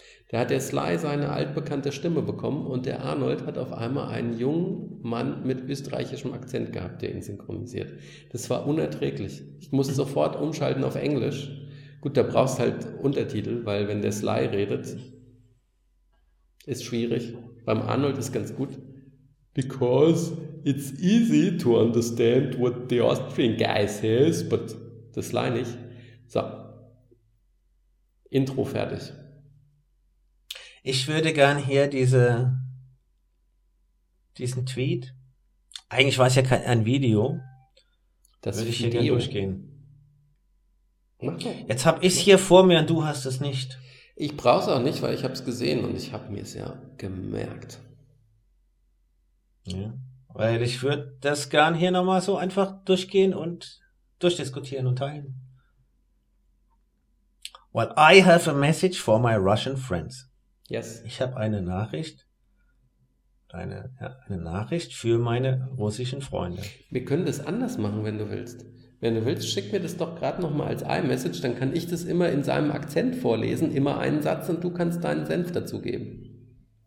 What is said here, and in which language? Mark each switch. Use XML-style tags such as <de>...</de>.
<de>Da hat der Sly seine altbekannte Stimme bekommen und der Arnold hat auf einmal einen jungen Mann mit österreichischem Akzent gehabt, der ihn synchronisiert. Das war unerträglich. Ich musste sofort umschalten auf Englisch. Gut, da brauchst halt Untertitel, weil wenn der Sly redet, ist schwierig. Beim Arnold ist ganz gut.</de> <en>Because it's easy to understand what the Austrian guy says, but the Sly</en> <de>nicht. So, Intro fertig. Ich würde gern hier diesen Tweet, eigentlich war es ja kein ein Video, das würde ich hier gern durchgehen. Okay. Jetzt habe ich es hier vor mir und du hast es nicht. Ich brauche es auch nicht, weil ich habe es gesehen und ich habe mir es ja gemerkt. Ja, weil ich würde das gern hier nochmal so einfach durchgehen und durchdiskutieren und teilen.</de> <en>Well, I have a message for my Russian friends. Yes.</en> <de>Ich habe eine Nachricht. Eine Nachricht für meine russischen Freunde. Wir können das anders machen, wenn du willst. Wenn du willst, schick mir das doch gerade nochmal als iMessage, dann kann ich das immer in seinem Akzent vorlesen, immer einen Satz und du kannst deinen Senf dazugeben.</de>